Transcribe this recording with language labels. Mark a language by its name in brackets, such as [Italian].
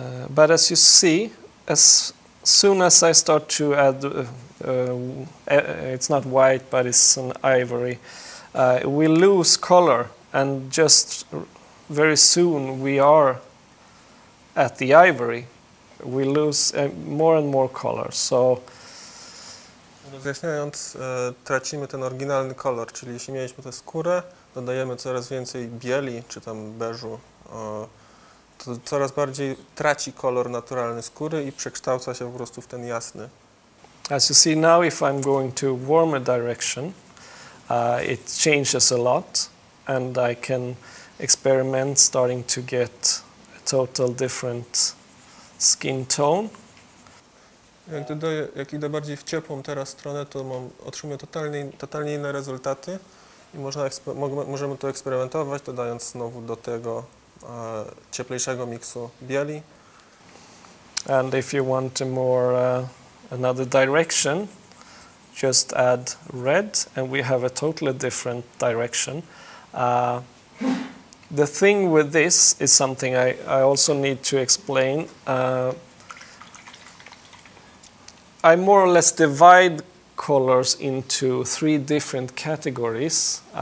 [English] But as you see, as soon as I start to add, it's not white, but it's an ivory. We lose color, and just very soon we are at the ivory. We lose more and more color. So. [Polish] Rozjaśniając, tracimy ten oryginalny kolor, czyli jeśli mieliśmy tę skórę, dodajemy coraz więcej bieli, czy tam beżu, to coraz bardziej traci kolor naturalny skóry i przekształca się po prostu w ten jasny. [English] As you see now, if I'm going to a warmer direction, it changes a lot, and I can experiment starting to get a total different skin tone. [Polish] Jak idę bardziej w ciepłą teraz stronę, to otrzymuję totalnie inne rezultaty i możemy to eksperymentować, dodając znowu do tego cieplejszego miksu bieli. [English] And if you want a more another direction, just add red and we have a totally different direction. The thing with this is something I also need to explain. I more or less divide colors into three different categories.